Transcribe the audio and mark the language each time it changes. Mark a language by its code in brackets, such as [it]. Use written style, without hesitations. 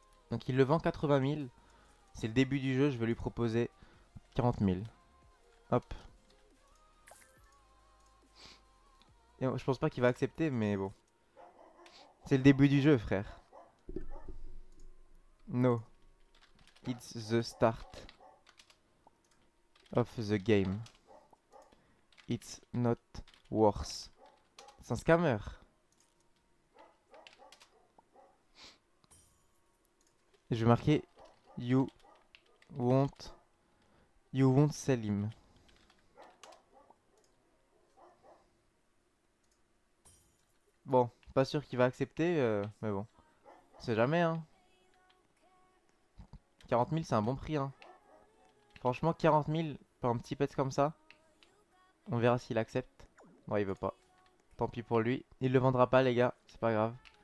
[fr] Donc il le vend 80 000. C'est le début du jeu. Je vais lui proposer 40 000. Hop. Et je pense pas qu'il va accepter, mais bon. C'est le début du jeu, frère. [en] No. It's the start of the game. It's not worth. [fr] C'est un scammer. Je vais marquer [en] You won't sell him. [fr] Bon, pas sûr qu'il va accepter, mais bon. C'est jamais, hein. 40 000, c'est un bon prix, hein. Franchement, 40 000 pour un petit pet comme ça. On verra s'il accepte. Bon, il veut pas. Tant pis pour lui. Il le vendra pas, les gars. C'est pas grave.